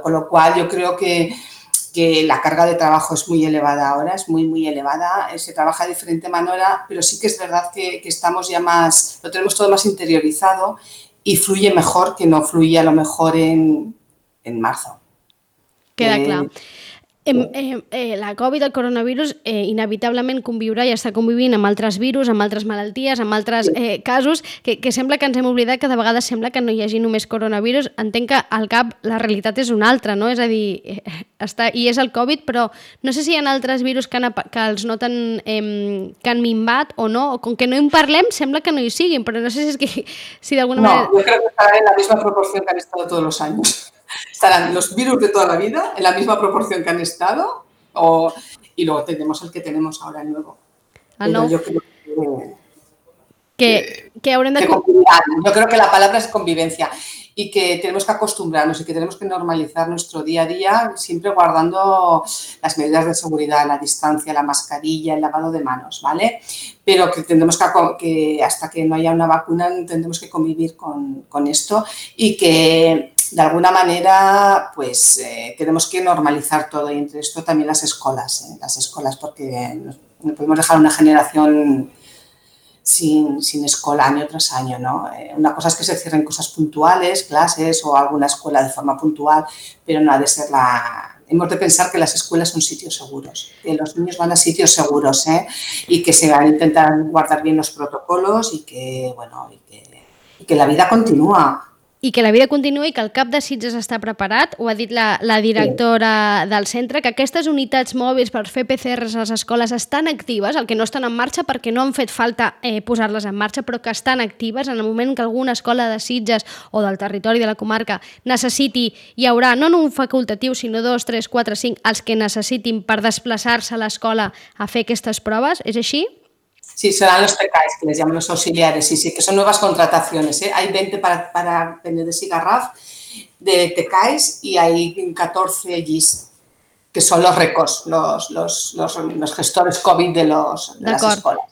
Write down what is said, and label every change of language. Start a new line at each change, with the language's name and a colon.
Spanish: Con lo cual yo creo que la carga de trabajo es muy elevada ahora, es muy, muy elevada. Se trabaja de diferente manera, pero sí que es verdad que estamos ya más, lo tenemos todo más interiorizado y fluye mejor que no fluía a lo mejor en marzo. Queda claro.
Catalan: La Covid, el coronavirus, inevitablement conviurà i està convivint amb altres virus, amb altres malalties, amb altres casos, que sembla que ens hem oblidat, que de vegades sembla que no hi hagi només coronavirus. Entenc que al cap la realitat és una altra, no? És a dir, està, i és el Covid, però no sé si hi ha altres virus que els noten, que han minvat o no, o com que no en parlem sembla que no hi siguin, però no sé si és que, si d'alguna manera... No, jo crec que estarà en la mateixa proporció que han estat tots els anys.
Spanish: Estarán los virus de toda la vida en la misma proporción que han estado o, y luego tenemos el que tenemos ahora nuevo. Ah, no. Yo creo
Catalan: que haurem de...
Spanish: Yo creo que la palabra es convivencia y que tenemos que acostumbrarnos y que tenemos que normalizar nuestro día a día siempre guardando las medidas de seguridad, la distancia, la mascarilla, el lavado de manos, ¿vale? Pero que tendremos que hasta que no haya una vacuna tendremos que convivir con esto y que de alguna manera pues tenemos que normalizar todo y entre esto también las escuelas, porque no podemos dejar una generación sin escuela año tras año, ¿no? Una cosa es que se cierren cosas puntuales, clases o alguna escuela de forma puntual, pero no ha de ser la... Hemos de pensar que las escuelas son sitios seguros, que los niños van a sitios seguros, ¿eh? Y que se van a intentar guardar bien los protocolos y que, bueno, y que la vida continúa.
Catalan: I que la vida continuï i que el CAP de Sitges està preparat, ho ha dit la directora sí. del centre, que aquestes unitats mòbils per fer PCRs a les escoles estan actives, el que no estan en marxa perquè no han fet falta posar-les en marxa, però que estan actives en el moment que alguna escola de Sitges o del territori de la comarca necessiti, hi haurà no un facultatiu, sinó dos, tres, quatre, cinc, els que necessitin per desplaçar-se a l'escola a fer aquestes proves, és així?
Spanish: Sí, serán los TKs, que les llaman los auxiliares, sí, que son nuevas contrataciones, ¿eh? Hay 20 para Penedès y Garraf de TKs y hay 14 GIS, que son los RECOS, los gestores COVID de los de las escuelas.